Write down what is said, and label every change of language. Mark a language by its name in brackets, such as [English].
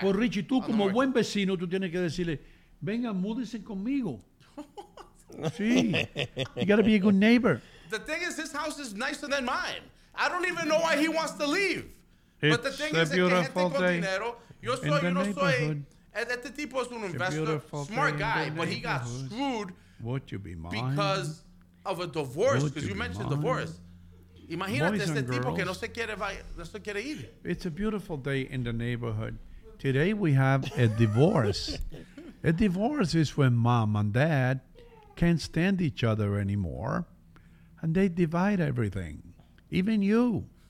[Spanish] Pues Richie, tú como buen vecino, tú tienes que decirle, venga, múdense conmigo. Sí. [English] You got to be a good neighbor. The thing is, his house is nicer than mine. I don't even know why he wants to leave. It's but the thing is, [Spanish] que gente con dinero, yo soy, yo no soy. Este tipo es un [English] investor, smart guy, but he got screwed. Would you be mine? Because of a divorce, because you mentioned divorce. [Spanish] Imagínate este tipo que no se quiere ir. [English] It's a beautiful day in the neighborhood. Today we have a divorce. A divorce is when mom and dad can't stand each other anymore, and they divide everything, even you.